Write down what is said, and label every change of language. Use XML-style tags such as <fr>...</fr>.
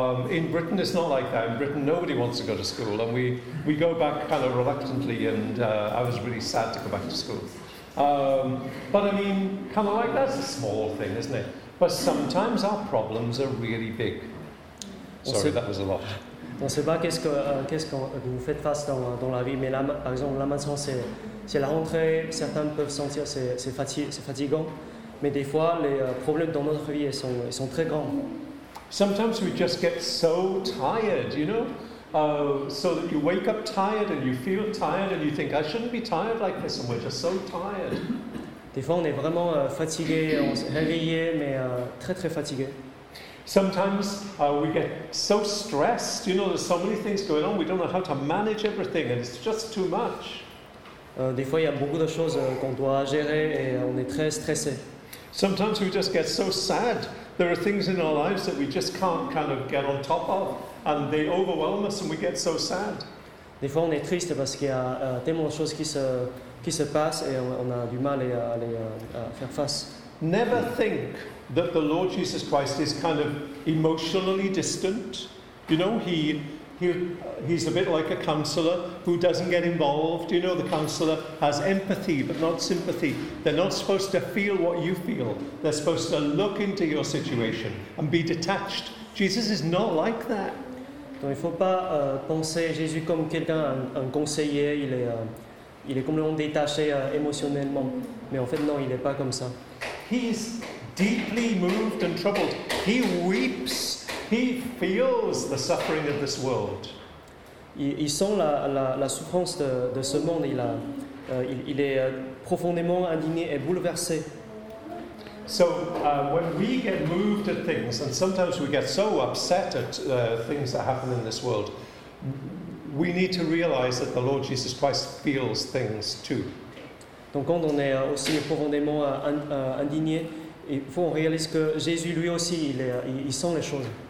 <en>In Britain, it's not like that. In Britain, nobody wants to go to school. And we go back kind of reluctantly, and I was really sad to go back to school. But I mean, kind of like that's a small thing, isn't it? But sometimes our problems are really big. Sorry, that was a lot.</en> <fr>On ne sait pas qu'est-ce que vous faites face dans la vie, mais là, par exemple, là maintenant, c'est la rentrée, certains peuvent sentir que c'est fatigant, mais des fois, les problèmes dans notre vie, ils sont très grands.</fr> <en>Sometimes we just get so tired, you know? So that you wake up tired, and you feel tired, and you think, I shouldn't be tired like this, and we're just so tired.</en> <fr>Des fois, on est vraiment fatigué, on s'est réveillé, mais très très fatigué.</fr> <en>Sometimes we get so stressed, you know, there's so many things going on, we don't know how to manage everything, and it's just too much.</en> <fr>Des fois, il y a beaucoup de choses qu'on doit gérer et on est très stressé.</fr> <en>Sometimes we just get so sad. There are things in our lives that we just can't kind of get on top of, and they overwhelm us and we get so sad.</en> <fr>Des fois, on est triste parce qu'il y a tellement de choses qui se passent et on a du mal à faire face.</fr> <en>Never think that the Lord Jesus Christ is kind of emotionally distant. You know, he's a bit like a counselor who doesn't get involved. You know, the counselor has empathy but not sympathy. They're not supposed to feel what you feel. They're supposed to look into your situation and be detached. Jesus is not like that.</en> <fr>Donc il faut pas penser Jésus comme quelqu'un un conseiller, il est complètement détaché émotionnellement. Mais en fait non, il est pas comme ça.</fr> <en>He's deeply moved and troubled. He weeps. He feels the suffering of this world.</en> <fr>Il sent la souffrance de ce monde. Il est profondément indigné et bouleversé.</fr> <en>So when we get moved at things, and sometimes we get so upset at things that happen in this world, we need to realize that the Lord Jesus Christ feels things too.</en> <fr>Donc quand on est aussi profondément indigné, il faut réaliser que Jésus lui aussi il sent les choses.</fr>